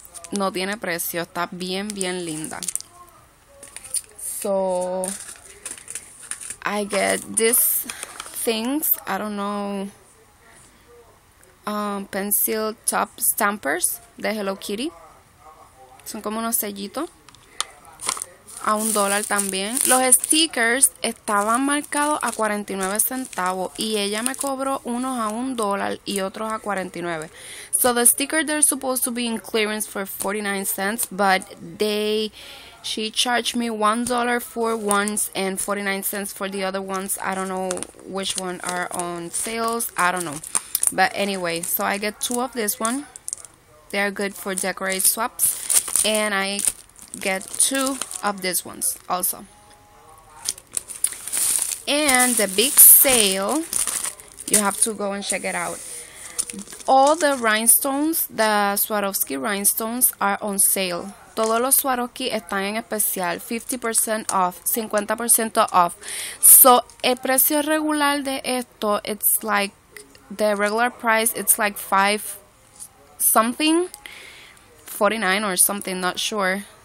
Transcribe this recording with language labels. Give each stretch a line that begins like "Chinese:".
Spanish: No tiene precio, está bien, bien linda. So,
English: I get these things, I don't know, pencil top stampers
Spanish: de Hello Kitty. Son como unos sellitos. a $1 también. Los stickers estaban marcados a 49 centavos y ella me cobró unos a $1 y otros a 49.
English: So the stickers they're supposed to be in clearance for 49 cents, but she charged me $1 for ones and 49 cents for the other ones. I don't know which one are on sales. I don't know. But anyway, so I get two of this one. They are good for decorate swaps. And I get two of these ones also. And the big sale, you have to go and check it out. All the rhinestones, the Swarovski rhinestones are on sale.
Spanish: Todos los Swarovski están en especial,
English: 50% off, 50% off. So,
Spanish: el precio regular de esto,
English: it's like the regular price, it's like five something, 49 or something, not sure.